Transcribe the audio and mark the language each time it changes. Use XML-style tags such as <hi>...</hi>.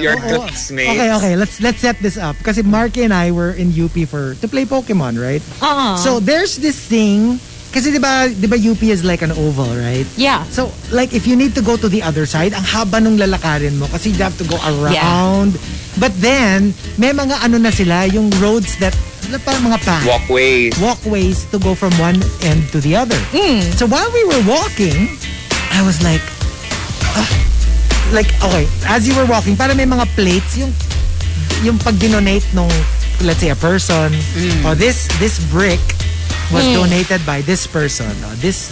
<en>Your classmates. Okay, let's set this up.</en> <tl>Kasi</tl> <en>Markki and I were in UP to play Pokemon, right? Uh-huh. So there's this thing,</en> <tl>kasi diba</tl> <en>UP is like an oval, right? Yeah. So like if you need to go to the other side,</en> <tl>ang haba nung lalakarin mo kasi</tl> <en>you have to go around. Yeah.</en> <tl>But then, may mga ano na sila, yung</tl> <en>roads that,</en> <tl>parang mga path.</tl> <en>Walkways to go from one end to the other. Mm. So while we were walking, I was like, okay, as you were walking,</en> <tl>para may mga</tl> <en>plates,</en> <tl>yung pag-donate nung,</tl> <en>let's say, a person, or this brick was donated by this person, or this...</en>